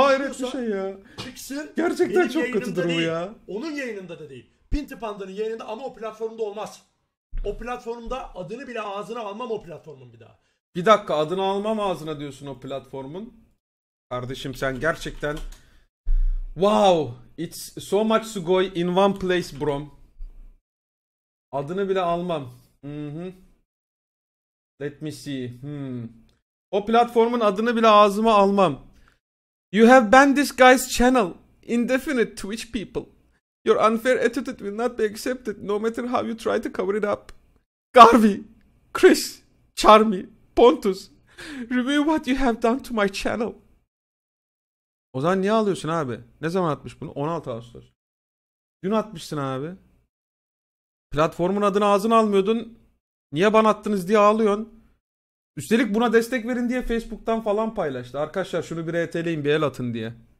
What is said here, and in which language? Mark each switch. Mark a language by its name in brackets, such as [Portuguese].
[Turkish] hayret bir şey ya. Çıksın. Gerçekten çok kötü durumu ya. Onun yayınında da değil. Pinti Panda'nın yayınında, ama o platformda olmaz. O platformda adını bile ağzına almam o platformun bir daha. Bir dakika, adını almam ağzına diyorsun o platformun. Kardeşim sen gerçekten... [English] Wow, it's so much to go in one place, bro. [Turkish] Adını bile almam. Mm-hmm. [English] Let me see. [Turkish] Hmm. O platformun adını bile ağzıma almam. [English] You have banned this guy's channel. Indefinite, Twitch people. Your unfair attitude will not be accepted, no matter how you try to cover it up. Garvey, Chris, Charmy, Pontus, review what you have done to my channel. [Turkish] O zaman niye alıyorsun abi? Ne zaman atmış bunu? 16 Ağustos. Dün atmışsın abi. Platformun adını ağzına almıyordun. Niye ban attınız diye ağlıyorsun. Üstelik buna destek verin diye Facebook'tan falan paylaştı. Arkadaşlar şunu bir RT'leyin, bir el atın diye.